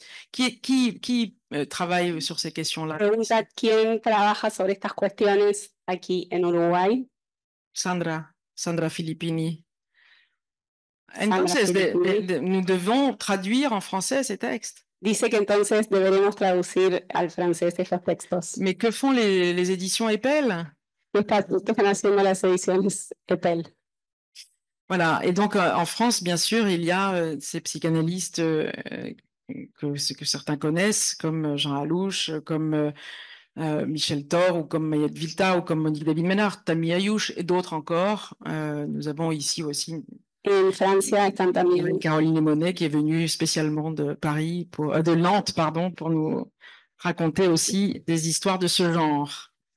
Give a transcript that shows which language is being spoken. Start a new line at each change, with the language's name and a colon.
French: Qui travaille sur ces questions-là?
Spanish: Pregunta quién trabaja sobre estas cuestiones aquí en Uruguay. Sandra Filippini.
French: Entonces, nous devons traduire en français ces textes.
Spanish: Dice que entonces deberíamos traducir al francés estos textos.
French: Mais que font les éditions Eppel?
Spanish: ¿Qué están haciendo las ediciones Eppel?
French: Voilà, et donc en France, bien sûr, il y a ces psychanalystes que certains connaissent, comme Jean Allouche, comme Michel Thor, ou comme Mayette Vilta, ou comme Monique David-Ménard, Tammy Ayouch, et d'autres encore. Nous avons ici aussi Caroline Monet, qui est venue spécialement de Paris, de Nantes, pardon, pour nous raconter aussi des histoires de ce genre.